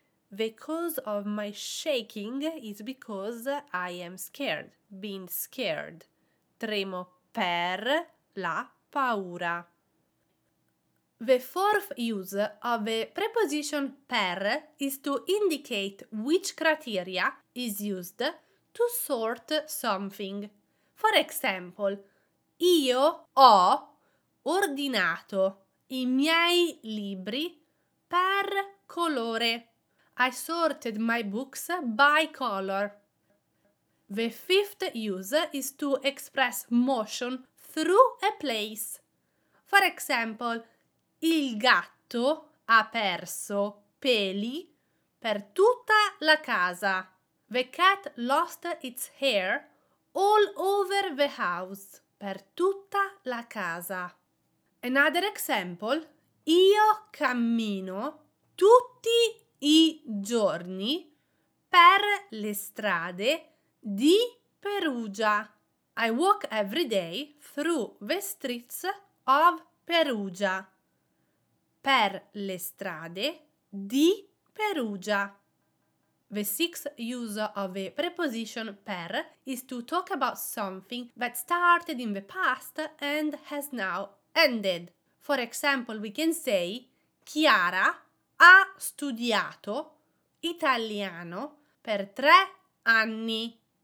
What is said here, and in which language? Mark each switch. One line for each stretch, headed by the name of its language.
English: The cause of my shaking is because I am scared, being scared.
Italian: Tremo per la paura.
English: The fourth use of the preposition per is to indicate which criteria is used to sort something. For example,
Italian: io ho ordinato i miei libri per colore.
English: I sorted my books by color. The fifth use is to express motion through a place. For example,
Italian: il gatto ha perso peli per tutta la casa.
English: The cat lost its hair all over the house.
Italian: Per tutta la casa.
English: Another example,
Italian: io cammino tutti i giorni per le strade di Perugia.
English: I walk every day through the streets of Perugia.
Italian: Per le strade di Perugia.
English: The sixth use of a preposition per is to talk about something that started in the past and has now ended. For example, we can say
Italian: Chiara ha studiato italiano per 3 anni.